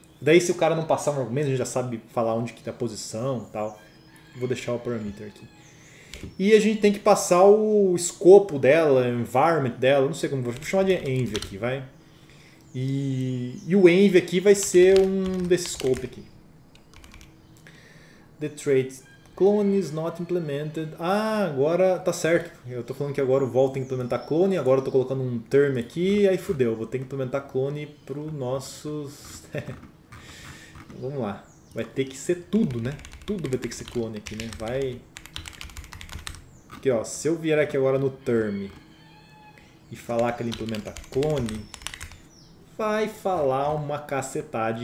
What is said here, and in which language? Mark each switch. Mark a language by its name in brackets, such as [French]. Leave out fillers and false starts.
[Portuguese] Daí se o cara não passar um argumento, a gente já sabe falar onde que tá a posição e tal. Vou deixar o parameter aqui. E a gente tem que passar o escopo dela, environment dela, não sei como, vou chamar de env aqui, vai. E o env aqui vai ser um desse scope aqui. [English] The trait clone is not implemented. [Portuguese] Ah, agora tá certo. Eu tô falando que agora eu volto a implementar clone, agora eu tô colocando um term aqui, aí fudeu. Vou ter que implementar clone pro nosso... Vamos lá. Vai ter que ser tudo, né? Tudo vai ter que ser clone aqui, né? Vai... Porque, ó, se eu vier aqui agora no term e falar que ele implementa clone, vai falar uma cacetada.